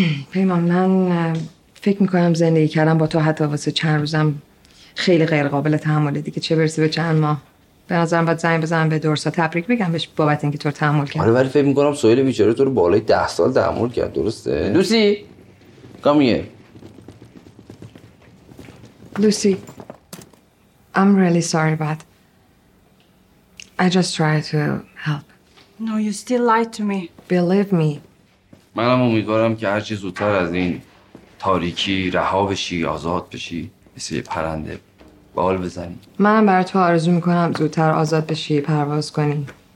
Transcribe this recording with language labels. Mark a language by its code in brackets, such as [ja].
[fa] پیمان من فکر میکنم زندگی کردم با تو حتی واسه چند روزم خیلی غیر قابل تحمله دیگه، چه برسه به چند ماه. به نظرم باید زنگ بزنم به درسا تبریک بگم بهش بابت اینکه تو رو تحمل کرد. آره ولی فکر میکنم سهیل بیچاره تو رو بالای 10 سال تحمل کرد، درسته؟ لوسی [en] Come here. Lucy I'm really sorry but I just tried to help. No you still lied to me. Believe me. [fa] منم امیدوارم که هرچی زودتر از این تاریکی رها بشی، آزاد بشی، مثل یه پرنده بال بزنی. منم برای تو آرزو میکنم زودتر آزاد بشی، پرواز کنی.